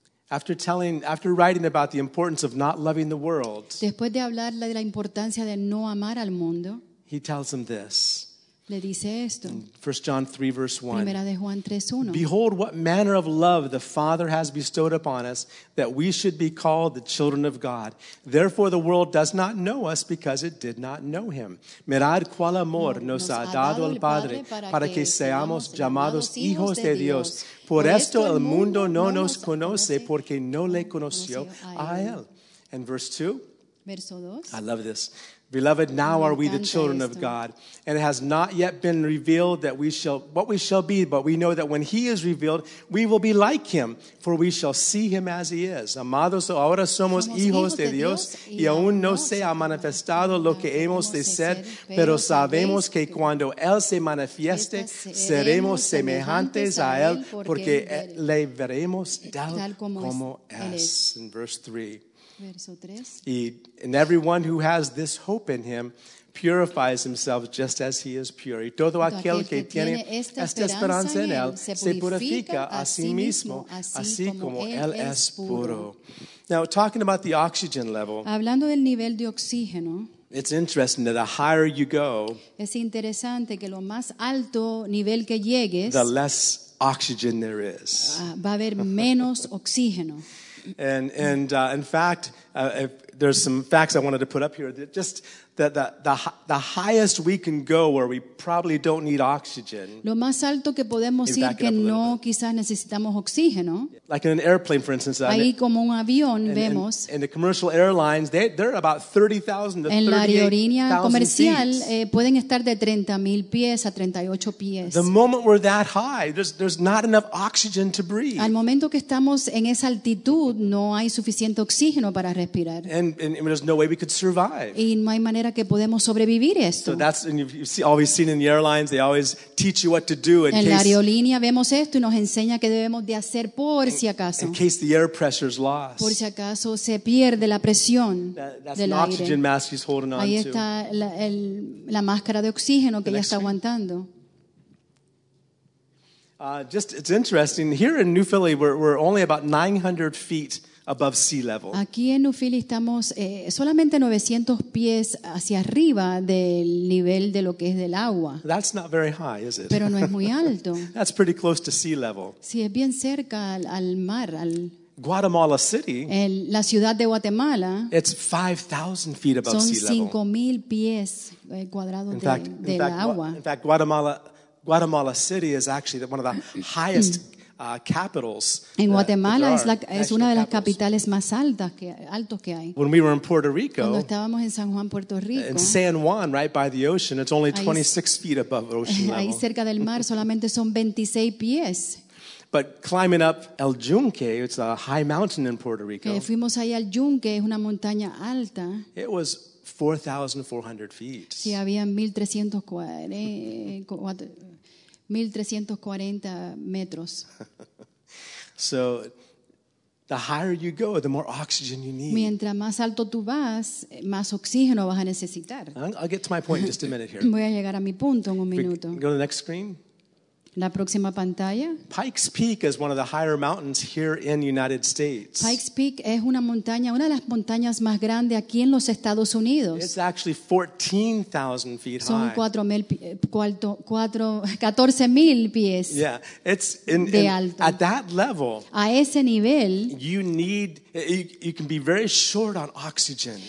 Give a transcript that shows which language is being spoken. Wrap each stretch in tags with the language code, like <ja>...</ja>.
<en>After writing about the importance of not loving the world,</en> <es>después de hablar de la importancia de no amar al mundo,</es> <en>he tells him this.</en> <es>Le dice esto.</es> <en>1 John 3, verse 1.</en> <es>Primera de Juan 3:1.</es> <en>Behold, what manner of love the Father has bestowed upon us, that we should be called the children of God. Therefore, the world does not know us because it did not know him.</en> <es>Mirad cuál amor nos ha dado el Padre para que seamos llamados hijos de Dios. Por esto el mundo no nos conoce porque no le conoció a él.</es> <en>And verse 2.</en> <es>Verso 2.</es> <en>I love this. Beloved, now are we the children of God, and it has not yet been revealed that what we shall be, but we know that when he is revealed, we will be like him, for we shall see him as he is.</en> <es>Amados, ahora somos hijos de Dios, y aún no se ha manifestado lo que hemos de ser, pero sabemos que cuando él se manifieste, seremos semejantes a él, porque le veremos tal como es.</es> <en>In verse 3.</en> <es>Verso 3.</es> <en>And everyone who has this hope in him purifies himself just as he is pure.</en> <es>Y todo aquel que tiene esta esperanza en él se purifica a sí mismo, así como él es puro.</es> <en>Now, talking about the oxygen level,</en> <es>hablando del nivel de oxígeno,</es> <en>it's interesting that the higher you go,</en> <es>es interesante que lo más alto nivel que llegues,</es> <en>the less oxygen there is.</en> <es>Va a haber menos oxígeno.</es> <en>And in fact, There's some facts I wanted to put up here. Just that the highest we can go where we probably don't need oxygen.</en> <es>Lo más alto que podemos ir que no quizás necesitamos oxígeno.</es> <en>Like in an airplane, for instance.</en> <es>Ahí como un avión vemos.</es> <en>In the commercial airlines, they're about 30,000 to 38,000 feet.</en> <es>En la aerolínea comercial pueden estar de 30,000 pies a 38 pies.</es> <en>The moment we're that high, there's not enough oxygen to breathe.</en> <es>Al momento que estamos en esa altitud, no hay suficiente oxígeno para respirar.</es> <en>And there's no way we could survive.</en> <es>Y no hay manera que podemos sobrevivir esto.</es> <en>So that's, and you've always seen in the airlines, they always teach you what to do in</en> <es>en</es> <en>case.</en> <es>En la aerolínea vemos esto y nos enseña qué debemos de hacer por si acaso.</es> <en>In case the air pressure is lost.</en> <es>Por si acaso se pierde la presión del aire.</es> <en>That's the oxygen mask he's holding on to.</en> <es>Ahí está la máscara de oxígeno que ella está aguantando.</es> <en>Just it's interesting. Here in New Philly, we're only about 900 feet. Above sea level.</en> <es>Aquí en New Philly estamos solamente 900 pies hacia arriba del nivel de lo que es del agua.</es> <en>That's not very high, is it?</en> <es>Pero no es muy alto.</es> <en>That's pretty close to sea level.</en> <es>Sí, es bien cerca al mar, al</es> <en>Guatemala City.</en> <es>La ciudad de Guatemala.</es> <en>It's 5,000 feet above sea level.</en> <es>Son 5,000 pies cuadrados del agua.</es> <en>In fact, Guatemala City is actually one of the highest capitals.</en> <es>En Guatemala es una de las capitales más altos que hay.</es> <en>When we were in Puerto Rico,</en> <es>cuando estábamos en San Juan, Puerto Rico,</es> <en>in San Juan, right by the ocean, it's only 26 feet above ocean level.</en> <es>Ahí cerca del mar solamente son 26 pies.</es> <en>But climbing up El Yunque, it's a high mountain in Puerto Rico.</en> <es>Fuimos ahí al Yunque, es una montaña alta.</es> <en>It was 4,400 feet.</en> <es>Sí, había 1,340 metros.</es> <en>So, the higher you go, the more oxygen you need.</en> <es>Mientras más alto tú vas, más oxígeno vas a necesitar.</es> <en>I'll get to my point in just a minute here.</en> <es>Voy a llegar a mi punto en un minuto.</es> <en>Go to the next screen.</en> <es>La próxima pantalla.</es> <en>Pikes Peak is one of the higher mountains here in the United States.</en> <es>Pikes Peak es una montaña, una de las montañas más grandes aquí en los Estados Unidos.</es> <en>It's actually 14,000 feet high.</en> <es>Son 14,000 pies.</es> <en>Yeah, it's</en> <es>de alto.</es> <en>At that level.</en> <es>A ese nivel.</es> <en>You can be very short on oxygen.</en>